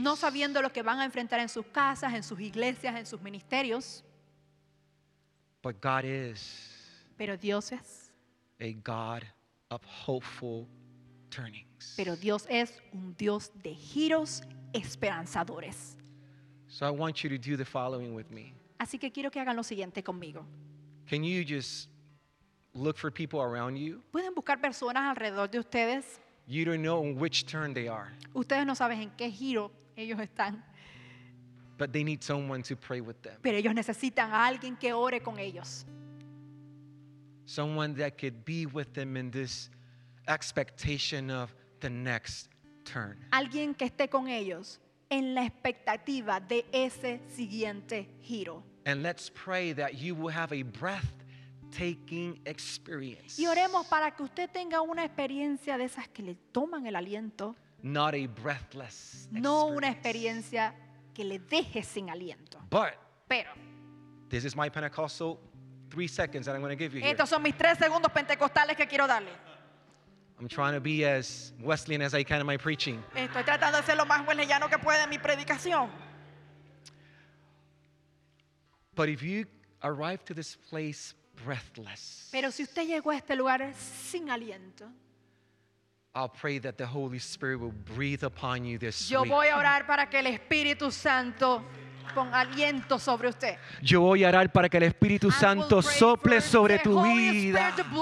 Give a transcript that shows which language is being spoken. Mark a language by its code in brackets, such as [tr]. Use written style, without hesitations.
[es] No sabiendo lo que van a enfrentar en sus casas, en sus iglesias, en sus ministerios. [en] But God is. [es] Pero Dios es. [en] A God of hopeful turnings. [es] Pero Dios es un Dios de giros esperanzadores. [en] So I want you to do the following with me. [es] Así que quiero que hagan lo siguiente conmigo. [en] Can you just look for people around you? [es] ¿Pueden buscar personas alrededor de ustedes? [en] You don't know on which turn they are. [es] Ustedes no saben en qué giro ellos están. [en] But they need someone to pray with them. [es] Pero ellos necesitan a alguien que ore con ellos. [en] Someone that could be with them in this expectation of the next turn. [es] Alguien que esté con ellos en la expectativa de ese siguiente giro. [en] And let's pray that you will have a breathtaking experience. [es] Y oremos para que usted tenga una experiencia de esas que le toman el aliento. [en] Not a breathless experience. [es] No una experiencia que le deje sin aliento. [en] But, [es] pero, [en] this is my Pentecostal 3 seconds that I'm going to give you here. [es] Estos son mis 3 segundos pentecostales que quiero darle. [en] I'm trying to be as Wesleyan as I can in my preaching. [es] Estoy tratando de ser lo más wesleyano que pueda en mi predicación. [en] But if you arrive to this place breathless, [es] pero si usted llegó a este lugar sin aliento, [en] I'll pray that the Holy Spirit will breathe upon you this [es] yo [en] week. [es] Voy a orar para que el Espíritu Santo con aliento sobre usted. Yo voy a orar para que el Espíritu Santo sople sobre tu vida.